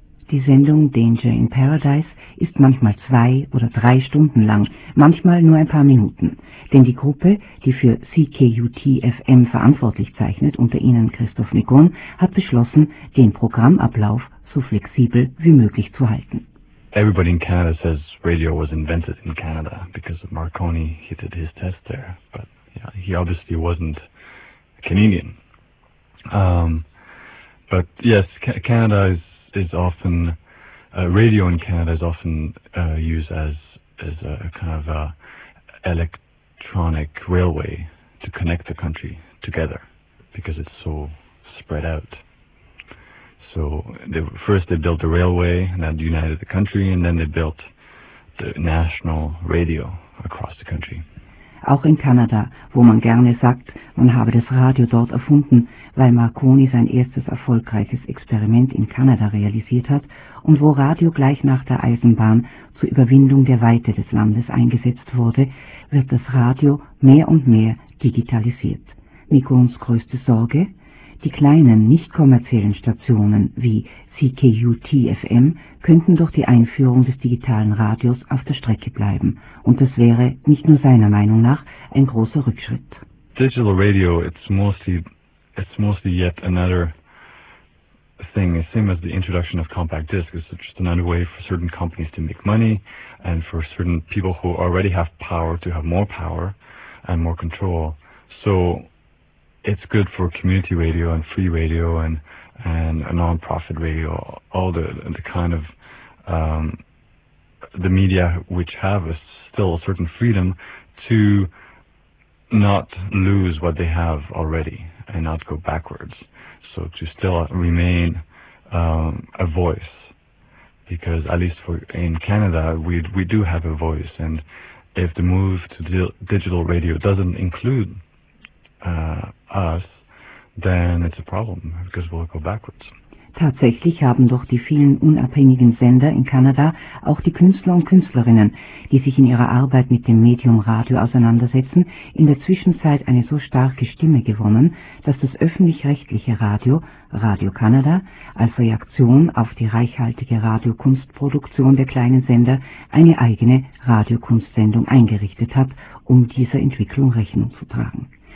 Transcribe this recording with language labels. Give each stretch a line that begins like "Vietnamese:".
German: Die Sendung Danger in Paradise ist manchmal 2 oder 3 Stunden lang, manchmal nur ein paar Minuten. Denn die Gruppe, die für CKUT-FM verantwortlich zeichnet, unter ihnen Christophe Migon, hat beschlossen, den Programmablauf so flexibel wie möglich zu halten.
English: Everybody in Canada says radio was invented in Canada because of Marconi. He did his test there, but yeah, he obviously wasn't a Canadian. But yes, Canada is often radio in Canada is often used as a kind of a electronic railway to connect the country together, because it's so spread out. So they built the railway and that united the country, and then they built the national radio across the country.
German: Auch in Kanada, wo man gerne sagt, man habe das Radio dort erfunden, weil Marconi sein erstes erfolgreiches Experiment in Kanada realisiert hat und wo Radio gleich nach der Eisenbahn zur Überwindung der Weite des Landes eingesetzt wurde, wird das Radio mehr und mehr digitalisiert. Migons größte Sorge? Die kleinen, nicht kommerziellen Stationen wie CKUT-FM könnten durch die Einführung des digitalen Radios auf der Strecke bleiben. Und das wäre, nicht nur seiner Meinung nach, ein großer Rückschritt.
English: Digital radio, it's mostly yet another thing, same as the introduction of compact disc, is just another way for certain companies to make money and for certain people who already have power to have more power and more control. So it's good for community radio and free radio and a non-profit radio, all the kind of the media which have still a certain freedom to not lose what they have already and not go backwards. So to still remain a voice, because at least for in Canada, we do have a voice. And if the move to digital radio doesn't include us, then it's a problem, because we'll go backwards.
German: Tatsächlich haben doch die vielen unabhängigen Sender in Kanada auch die Künstler und Künstlerinnen, die sich in ihrer Arbeit mit dem Medium Radio auseinandersetzen, in der Zwischenzeit eine so starke Stimme gewonnen, dass das öffentlich-rechtliche Radio, Radio Kanada, als Reaktion auf die reichhaltige Radiokunstproduktion der kleinen Sender eine eigene Radiokunstsendung eingerichtet hat, um dieser Entwicklung Rechnung zu tragen.